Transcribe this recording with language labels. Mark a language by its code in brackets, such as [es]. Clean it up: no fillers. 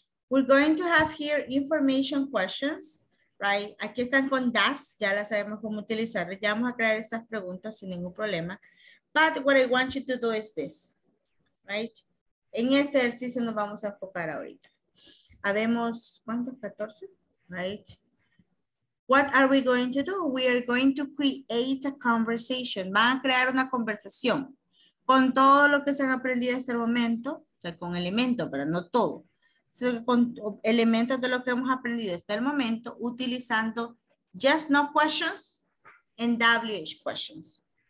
[en] We're going to have here information questions, right? [es] Aquí están con does, ya las sabemos cómo utilizar. Ya vamos a crear estas preguntas sin ningún problema. [en] But what I want you to do is this, right? [es] En este ejercicio nos vamos a enfocar ahorita. Habemos, ¿cuántos? [en] 14, right? What are we going to do? We are going to create a conversation. [es] Van a crear una conversación con todo lo que se han aprendido hasta el momento, o sea, con elementos, pero no todo, sino con elementos de lo que hemos aprendido hasta el momento, utilizando [en] yes, no questions and WH questions.